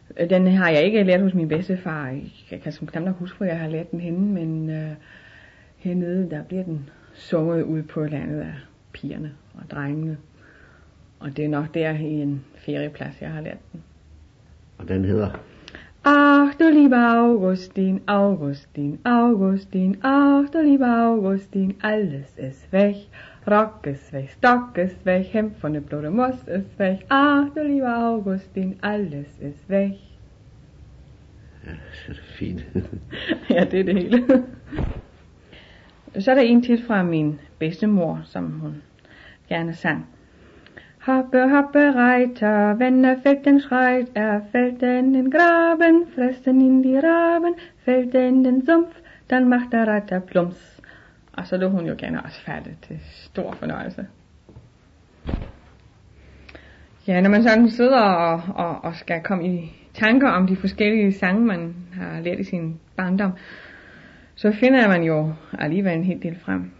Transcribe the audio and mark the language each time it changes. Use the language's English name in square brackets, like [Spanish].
[Danish] Den har jeg ikke lært hos min bedstefar. Jeg kan som knap huske, hvor jeg har lært den henne, men hernede, der bliver den sunget ud på landet af pigerne og drengene. Og det er nok der i en ferieplads, jeg har lært den. Og den hedder? [German] Ach, du lieber Augustin, Augustin, Augustin, ach, du lieber Augustin, alles ist weg. Rock ist weg, Stock ist weg, Hemd von der blöde Moss ist weg. Ach, du lieber Augustin, alles ist weg. Ja, das ist [Danish] ja fint. Ja, det er det hele. Så er der en til fra min bedstemor, som hun gerne sang. Hoppe, hoppe, reiter, wenn er fällt den Schreit, er fällt in den Graben, fressen in die Raben, fällt in den Sumpf, dann macht der Reiter plumps. Og så lå hun jo gerne også færdigt til stor fornøjelse. Ja, når man sådan sidder og skal komme i tanker om de forskellige sange, man har lært i sin barndom, så finder man jo alligevel en hel del frem.